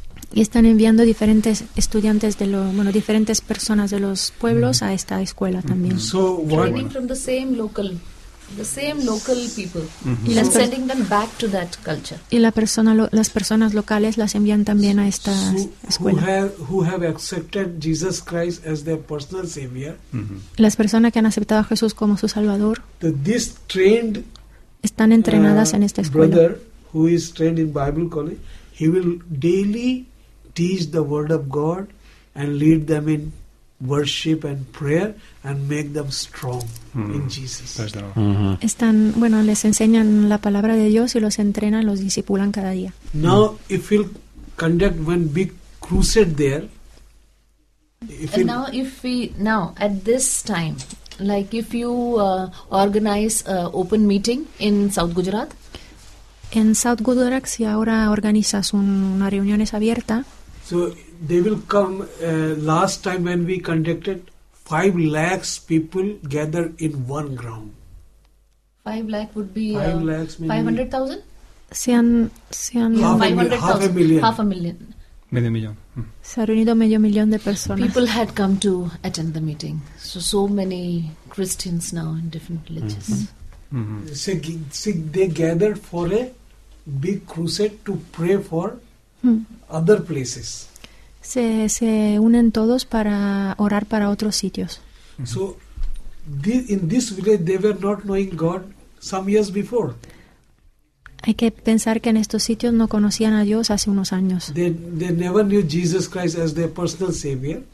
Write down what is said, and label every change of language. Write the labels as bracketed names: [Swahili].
[Spanish] Y están enviando diferentes estudiantes de los, bueno, diferentes personas de los pueblos a esta escuela también. [English] So, training from the same local the same local people. Mm-hmm. So sending them back to that culture. [Spanish] Y la persona, las personas locales las envían también a esta escuela. [English] Who have accepted Jesus Christ as their personal savior. Mm-hmm. [Spanish] Las personas que han aceptado a Jesús como su salvador. [English] The, this trained, [Spanish] están entrenadas en esta escuela. [English] Brother who is trained in Bible college, he will daily teach the word of God and lead them in worship and prayer and make them strong in Jesus. Uh-huh. [Spanish] Están, bueno, les enseñan la palabra de Dios y los entrenan, los discipulan cada día. [English] Now, if we'll conduct one big crusade there, if at this time, like if you organize an open meeting in South Gujarat, [Spanish] en South Gujarat, si ahora organizas una reunión es abierta. [English] So they will come. Last time when we conducted, 5 lakhs people gathered in one ground. 5 lakh would be 5 lakhs. 500,000. Sean 500,000. Half a million. [Spanish] Medio millón. Se ha reunido medio millón de personas. [English] People had come to attend the meeting. So many Christians now in different villages. Mm-hmm. So they gathered for a big crusade to pray for other places. [Spanish] Se unen todos para orar para otros sitios. Mm-hmm. [English] So in this village they were not knowing God some years before. [Spanish] Hay que pensar que en estos sitios no conocían a Dios hace unos años. [English] They never knew Jesus Christ as their personal savior.